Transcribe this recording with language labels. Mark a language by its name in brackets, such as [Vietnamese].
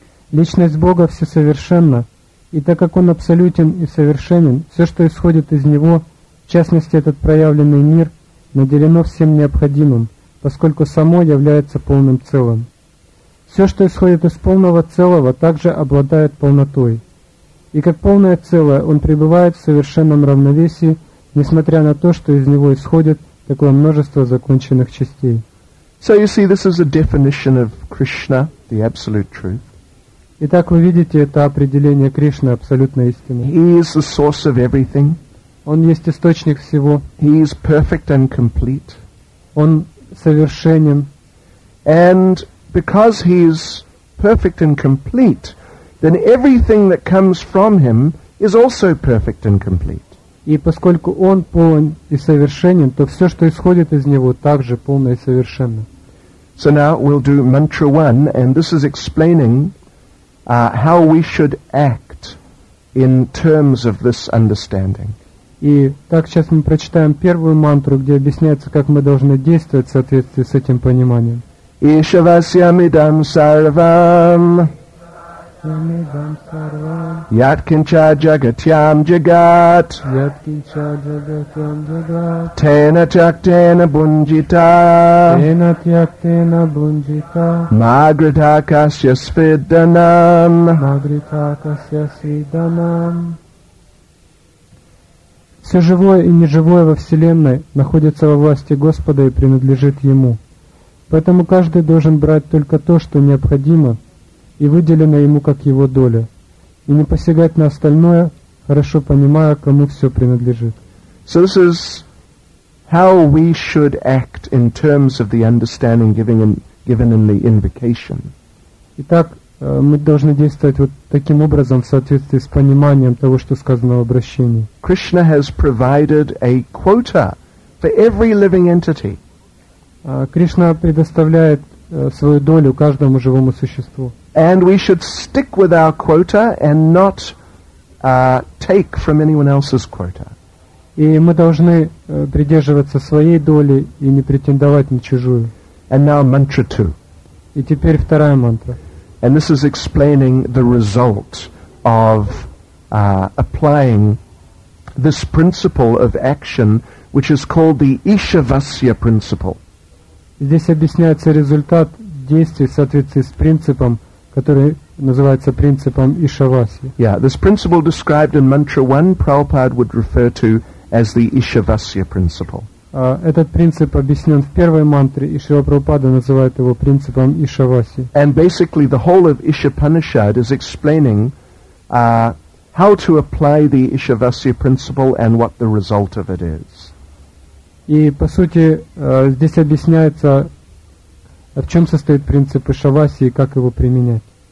[Russian] Личность Бога всесовершенна, и так как Он абсолютен и совершенен, все, что исходит из Него, в частности этот проявленный мир, наделено всем необходимым, поскольку само является полным целым. Все, что исходит из полного целого, также обладает полнотой. И как полное целое, Он пребывает в совершенном равновесии, несмотря на то, что из Него исходит такое множество законченных частей. [English] So you see, this is a definition of Krishna, the absolute truth. [Russian] Итак, вы видите, это определение Кришны, абсолютная истина. [English] He is the source of everything. [Russian] Он есть источник всего. [English] He is perfect and complete. [Russian] Он совершенен. [English] And because he is perfect and complete, then everything that comes from him is also perfect and complete. [Russian] И поскольку Он полон и совершенен, то все, что исходит из Него, также полно и совершенно. [English] So now we'll do mantra one, and this is explaining how we should act in terms of this understanding. [Russian] И так сейчас мы прочитаем первую мантру, где объясняется, как мы должны действовать в соответствии с этим пониманием. [Sanskrit] Ишавасьямидам сарвам. Yatkincha jagatyam jagat. Yatkincha jagatyam jagat. Tena chaktena bunjita. Tena chaktena bunjita. Magrita kasya svidanam. Magrita kasya svidanam. [Russian] Все живое и неживое во Вселенной находится во власти Господа и принадлежит Ему. Поэтому каждый должен брать только то, что необходимо, и выделено ему как его доля, и не посягать на остальное, хорошо понимая, кому все принадлежит. [English] So this is how we should act in terms of the understanding given in the invocation. [Russian] Итак, мы должны действовать вот таким образом в соответствии с пониманием того, что сказано в обращении. [English] Krishna has provided a quota for every living entity. [Russian] Кришна предоставляет свою долю каждому живому существу. [English] And we should stick with our quota and not take from anyone else's quota. [Russian] И мы должны придерживаться своей доли и не претендовать на чужую. [English] And now mantra two. [Russian] И теперь вторая мантра. [English] And this is explaining the result of applying this principle of action, which is called the Ishavasya principle. [Russian] Здесь объясняется результат действий в соответствии с принципом, который называется принципом Ишавасья. [English] Yeah, this principle described in mantra one, Prabhupada would refer to as the Ishavasya principle. [Russian] Этот принцип объяснен в первой мантре, и Шрила Прабхупада называет его принципом Ишавасьи. [English] And basically the whole of Ishapanishad is explaining how to apply the Ishavasya principle and what the result of it is. [Russian] И по сути здесь объясняется, в чем состоит принцип Ишавасьи и как его применять.